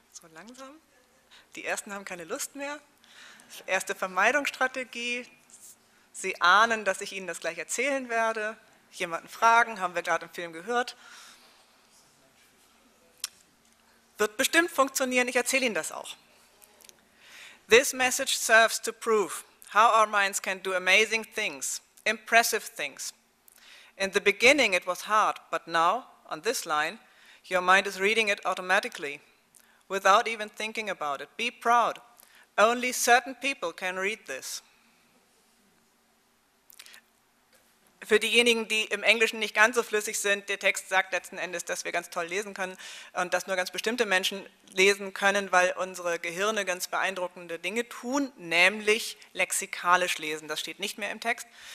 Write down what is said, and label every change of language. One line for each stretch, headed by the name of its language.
German: Langsam. Die Ersten haben keine Lust mehr. Erste Vermeidungsstrategie. Sie ahnen, dass ich Ihnen das gleich erzählen werde. Jemanden fragen, haben wir gerade im Film gehört. Wird bestimmt funktionieren, ich erzähle Ihnen das auch.
English: This message serves to prove how our minds can do amazing things, impressive things. In the beginning it was hard, but now, on this line, your mind is reading it automatically. Without even thinking about it. Be proud. Only certain people can read this.
German: Für diejenigen, die im Englischen nicht ganz so flüssig sind, der Text sagt letzten Endes, dass wir ganz toll lesen können und dass nur ganz bestimmte Menschen lesen können, weil unsere Gehirne ganz beeindruckende Dinge tun, nämlich lexikalisch lesen. Das steht nicht mehr im Text.